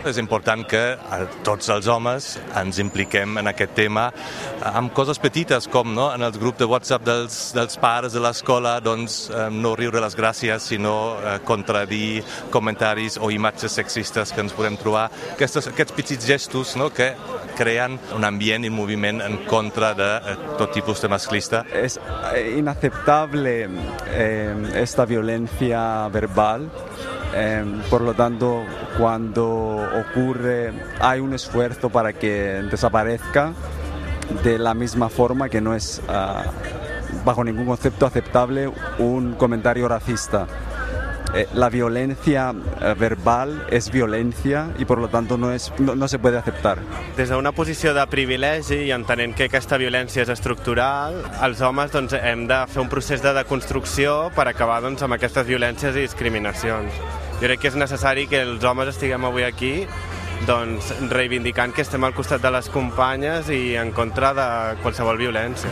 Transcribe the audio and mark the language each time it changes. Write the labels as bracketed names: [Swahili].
[Catalan] És important que tots els homes ens impliquem en aquest tema amb coses petites com, no?, en el grup de WhatsApp dels pares de l'escola, doncs no riure les gràcies sinó contradir comentaris o imatges sexistes que ens podem trobar, aquests petits gestos, no?, que creen un ambient i un moviment en contra de tot tipus de masclista. És inacceptable esta violència verbal. [Spanish] Por lo tanto, cuando ocurre, hay un esfuerzo para que desaparezca de la misma forma que no es bajo ningún concepto aceptable un comentario racista. La violencia verbal es violencia y por lo tanto no se puede aceptar. [Catalan] Des d'una posició de privilegi i entenent que aquesta violència és estructural, els homes doncs, hem de fer un procés de deconstrucció per acabar doncs, amb aquestes violències i discriminacions. Jo crec que és necessari que els homes estiguem avui aquí doncs, reivindicant que estem al costat de les companyes i en contra de qualsevol violència.